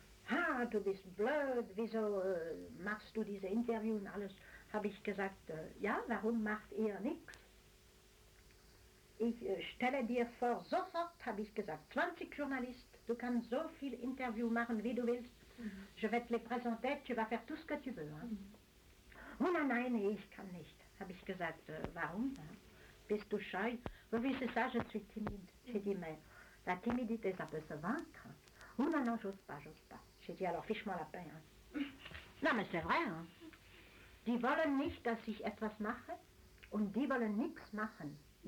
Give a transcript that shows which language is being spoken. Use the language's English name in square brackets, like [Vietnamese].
[German] Ha, du bist blöd, wieso machst du diese Interview und alles? Habe ich gesagt, ja, warum macht ihr nichts? Ich stelle dir vor, sofort, habe ich gesagt, 20 Journalisten, du kannst so viel Interview machen, wie du willst. [French] Je vais te les présenter, tu vas faire tout ce que tu veux. Hein? [German] Oh nein, nein, ich kann nicht, habe ich gesagt, warum? [French] Hein? [German] Bist du scheu? [French] Oh, wie c'est ça, je suis timide. J'ai dit, mais la timidité, ça peut se vaincre. Oh non, non, j'ose pas, j'ose pas. J'ai dit, alors fiche-moi la paix. Hein? Non, mais c'est vrai. Hein? [German] Die wollen nicht, dass ich etwas mache und die wollen nichts machen.